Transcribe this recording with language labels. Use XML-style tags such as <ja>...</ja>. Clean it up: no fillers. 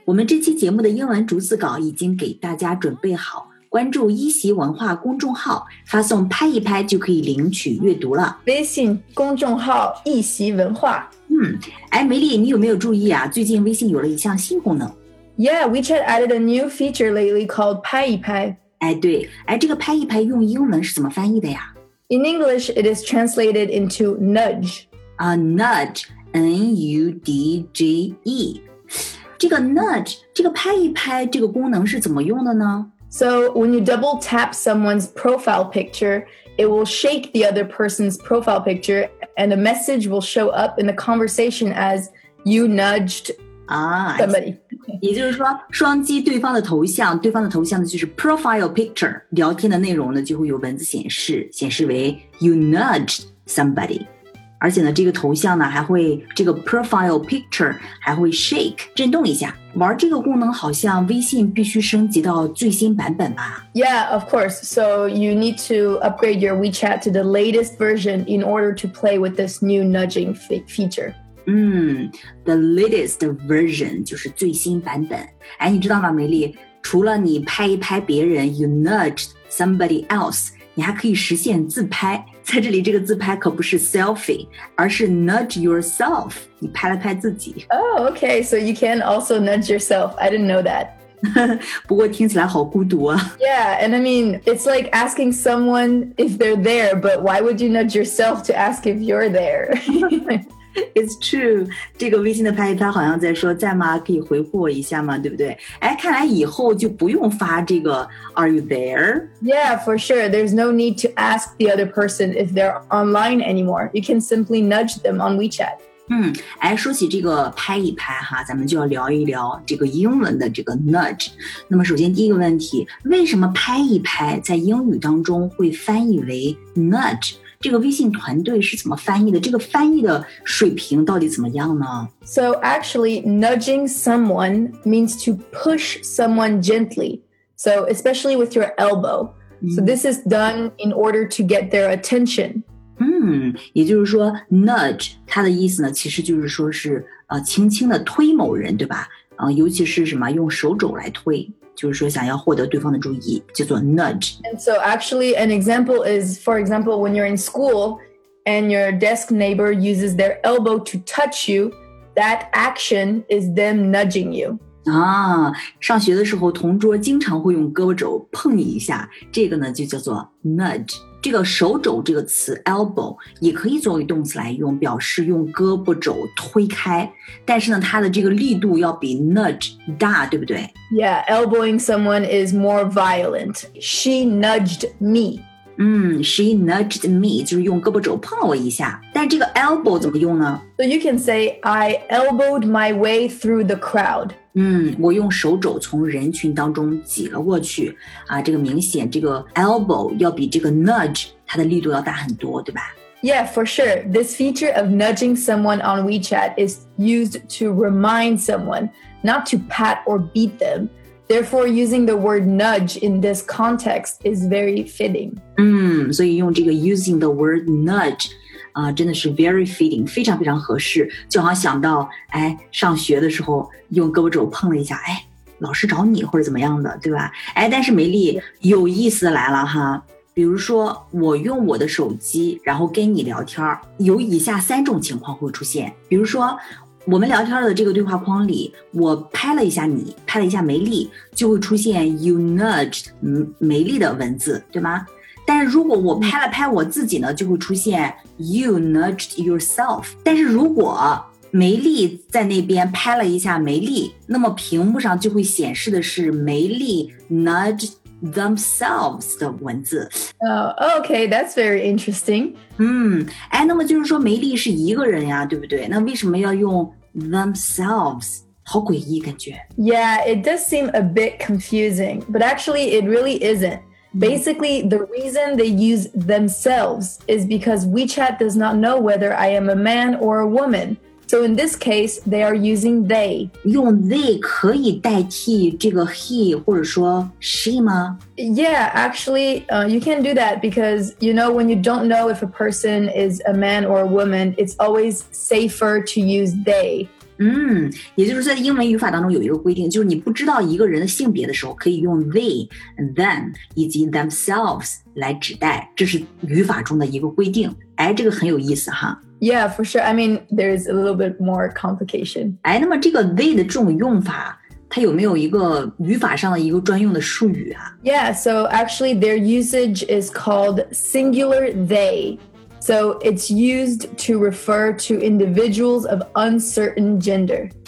<zh>我们这期节目的英文逐字稿已经给大家准备好。关注一席文化公众号，发送拍一拍就可以领取阅读了。微信公众号一席文化。哎，梅丽，你有没有注意啊？最近微信有了一项新功能。</zh> <en>Yeah, WeChat added a new feature lately called 拍一拍。</en> <zh>哎，对，哎，这个拍一拍用英文是怎么翻译的呀</zh> <en>？In English, it is translated into nudge. Nudge, N-U-D-G-E.</en> <zh>这个 nudge, 这个拍一拍这个功能是怎么用的呢？</zh> <en>So, when you double tap someone's profile picture, it will shake the other person's profile picture, and a message will show up in the conversation as, you nudged somebody.</en> <zh>也就是说，双击对方的头像，对方的头像呢就是 profile picture, 聊天的内容呢就会有文字显示，显示为</zh> <en>you nudged somebody.</en> <zh>而且呢，这个头像呢还会，这个 profile picture 还会 shake, 震动一下。玩这个功能好像微信必须升级到最新版本吧</zh> <en>Yeah, of course. So you need to upgrade your WeChat to the latest version in order to play with this new nudging feature. The latest version</en> <zh>就是最新版本。哎，你知道吗，梅丽？除了你拍一拍别人 ，</zh> <en>you nudged somebody else，</en> <zh>你还可以实现自拍。在这里，这个自拍可不是 selfie， 而是</zh> <en>nudge yourself。</en> <zh>你拍了拍自己。</zh> <en>Oh, okay. So you can also nudge yourself. I didn't know that.</en> <zh>不过听起来好孤独啊。</zh> <en>Yeah, and I mean, it's like asking someone if they're there, but why would you nudge yourself to ask if you're there? It's true.</en> <zh>这个微信的拍一拍好像在说在吗？可以回复我一下吗？对不对？哎，看来以后就不用发这个</zh> <en>Are you there? Yeah, for sure. There's no need to ask the other person if they're online anymore. You can simply nudge them on WeChat.</en> <zh>哎，说起这个拍一拍哈，咱们就要聊一聊这个英文的这个 nudge. 那么首先第一个问题，为什么拍一拍在英语当中会翻译为 nudge? 这个微信团队是怎么翻译的？这个翻译的水平到底怎么样呢</zh> <en>？So actually, nudging someone means to push someone gently. So especially with your elbow. So this is done in order to get their attention.</en> <zh>也就是说 ，nudge 它的意思呢，其实就是说是轻轻的推某人，对吧？尤其是什么用手肘来推。就是说想要获得对方的注意叫做 nudge.</zh> <en>And so actually an example is, for example, when you're in school and your desk neighbor uses their elbow to touch you, that action is them nudging you.</en> <zh>上学的时候同桌经常会用胳膊肘碰你一下，这个呢就叫做 nudge. 这个手肘这个词 elbow 也可以作为动词来用，表示用胳膊肘推开，但是呢它的这个力度要比 nudge 大，对不对？</zh> <en>Yeah, elbowing someone is more violent. She nudged me. She nudged me,</en> <zh>就是用胳膊肘碰了我一下。但这个 elbow 怎么用呢</zh> <en>？So you can say I elbowed my way through the crowd.</en> <zh>我用手肘从人群当中挤了过去。这个明显这个 elbow 要比这个 nudge 它的力度要大很多，对吧？</zh> <en>Yeah, for sure. This feature of nudging someone on WeChat is used to remind someone. Not to pat or beat them. Therefore, using the word nudge in this context is very fitting.</en> <zh>所以用这个</zh> <en>using the word nudge,</en> <zh>真的是</zh> <en>very fitting,</en> <zh>非常非常合适。就好想到，哎，上学的时候用胳膊肘碰了一下，哎，老师找你或者怎么样的，对吧？哎，但是梅丽，有意思来了哈。比如说，我用我的手机，然后跟你聊天，有以下三种情况会出现。比如说。我们聊天的这个对话框里，我拍了一下你，拍了一下梅丽，就会出现</zh> <en>you nudged</en> <zh>梅丽的文字，对吗？但是如果我拍了拍我自己呢，就会出现</zh> <en>you nudged yourself。</en> <zh>但是如果梅丽在那边拍了一下梅丽，那么屏幕上就会显示的是梅丽</zh> <en>nudged themselves</en> <zh>的文字。</zh> <en>Okay, that's very interesting.</en> <zh>哎，那么就是说梅丽是一个人呀，对不对？那为什么要用 themselves？好诡异感觉。</zh> <en>Yeah, it does seem a bit confusing, but actually it really isn't. Basically, the reason they use themselves is because WeChat does not know whether I am a man or a woman. So in this case, they are using they.</en> <zh>用 they 可以代替这个 he 或者说 she 吗？</zh> <en>Yeah, actually,you can do that because, you know, when you don't know if a person is a man or a woman, it's always safer to use they.</en> <zh>也就是在英文语法当中有一个规定，就是你不知道一个人的性别的时候，可以用 they, them, 以及 themselves 来指代，这是语法中的一个规定。哎，这个很有意思哈。</zh> <en>Yeah, for sure. I mean, there's a little bit more complication.</en> <zh>哎，那么这个 they 的这种用法，它有没有一个语法上的一个专用的术语啊？</zh> <en>Yeah, so actually their usage is called singular they. So it's used to refer to individuals of uncertain gender.</en>